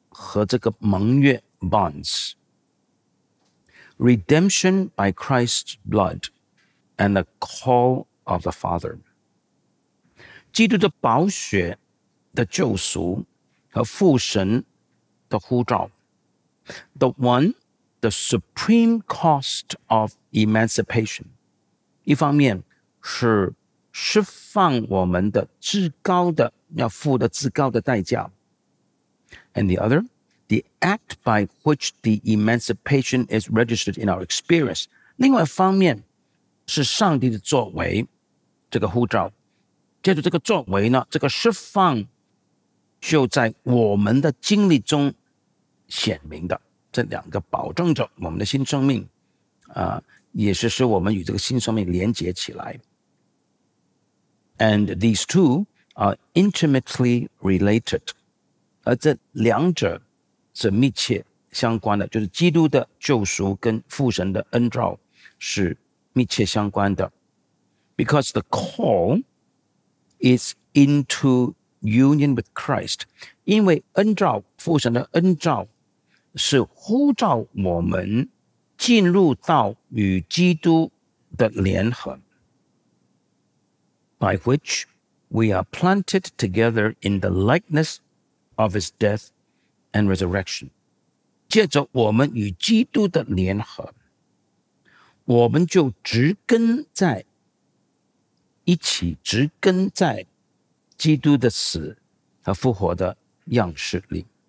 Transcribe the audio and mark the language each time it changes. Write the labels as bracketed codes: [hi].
[zh] 和这个盟约 bonds。 [en] Redemption by Christ's blood and the call of the Father. [zh] 基督的宝血的救赎和父神的呼召。 [en] The one, the supreme cost of emancipation. [zh] 一方面是释放我们的至高的要付的至高的代价。 [en] And the other,The act by which the emancipation is registered in our experience. [zh] 另外一方面是上帝的作为这个呼召。借助这个作为呢这个释放就在我们的经历中显明的。这两个保证着我们的新生命也是使我们与这个新生命连接起来。 [en] And these two are intimately related. [zh] 而这两者是密切相关的，就是基督的救赎跟父神的恩召是密切相关的。 [en] Because the call is into union with Christ. [zh] 因为恩召，父神的恩召是呼召我们进入到与基督的联合。 [en] By which we are planted together in the likeness of his death,and resurrection. [zh] 借着我们与基督的联合我们就植根在一起植根在基督的死和复活的样式里。